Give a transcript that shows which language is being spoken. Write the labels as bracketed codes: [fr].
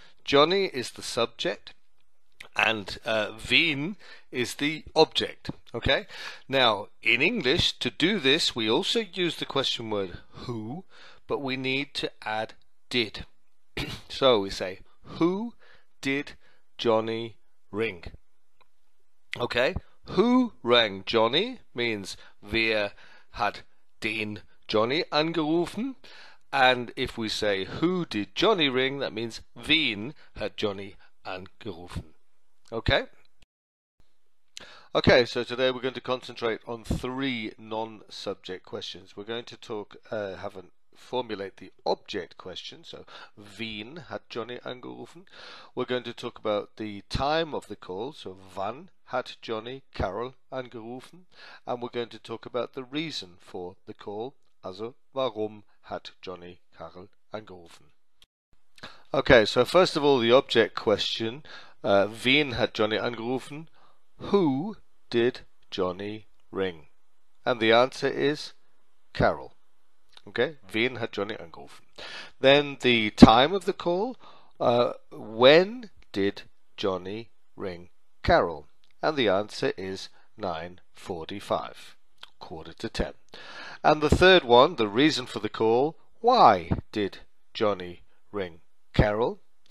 [en] Johnny is the subject, and Wen is the object. Okay? Now, in English, to do this, we also use the question word who, but we need to add did. So we say, who did Johnny ring? Okay? Who rang Johnny means [de] wer hat den Johnny angerufen. [en] And if we say who did Johnny ring, that means [de] wen hat Johnny angerufen. [en] Okay? Okay, so today we're going to concentrate on three non-subject questions. We're going to formulate the object question. [de] So, wen hat Johnny angerufen? [en] We're going to talk about the time of the call. [de] So, wann hat Johnny Carol angerufen? [en] And we're going to talk about the reason for the call. [de] Also, warum hat Johnny Carol angerufen? [en] Okay, so first of all, the object question. [de] Wen hat Johnny angerufen? [en] Who did Johnny ring? And the answer is Carol. [de] Okay, wen hat Johnny angerufen? [en] Then the time of the call. When did Johnny ring Carol? And the answer is 9:45, 9:45. And the third one, the reason for the call. Why did Johnny ring Carol?